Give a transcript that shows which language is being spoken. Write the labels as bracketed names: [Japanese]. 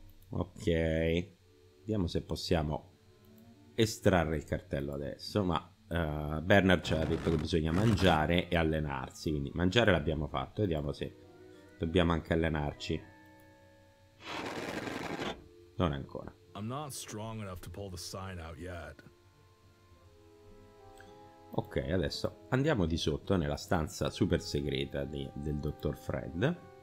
[Italian] Ok, vediamo se possiamo estrarre il cartello adesso, ma Bernard ci ha detto che bisogna mangiare e allenarsi, quindi mangiare l'abbiamo fatto, vediamo se dobbiamo anche allenarci. Non ancora. [English] I'm not strong enough to pull the sign out yet. [Italian] Ok, adesso andiamo di sotto nella stanza super segreta del dottor Fred.